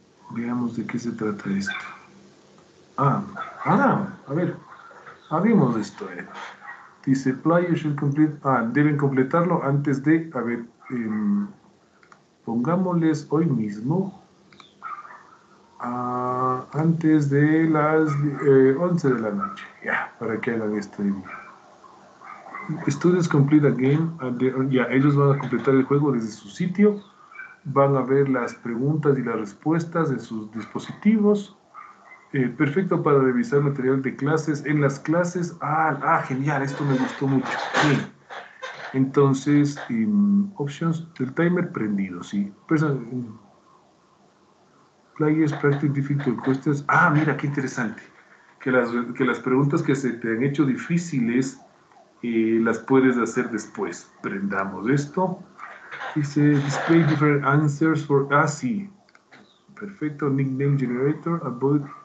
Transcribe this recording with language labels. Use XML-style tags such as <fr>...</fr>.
<es>Veamos de qué se trata esto. A ver. Abrimos esto. Dice,</es> <en>players should complete.</en> <es>Deben completarlo antes de. A ver. Pongámosles hoy mismo. Antes de las 11 de la noche. Ya, yeah, para que hagan esto.</es> <en>Students complete a game.</en> <es>Ellos van a completar el juego desde su sitio. Van a ver las preguntas y las respuestas en sus dispositivos. Perfecto para revisar material de clases. En las clases. Genial. Esto me gustó mucho. Bien. Entonces, options del timer prendido. Sí.</es> <en>Players practice difficult questions.</en> <es>Mira, qué interesante. Que las preguntas que se te han hecho difíciles. Las puedes hacer después. Prendamos esto. Dice,</es> <en>display different answers for...</en> <es>sí. Perfecto.</es> <en>Nickname generator. Avoid.</en>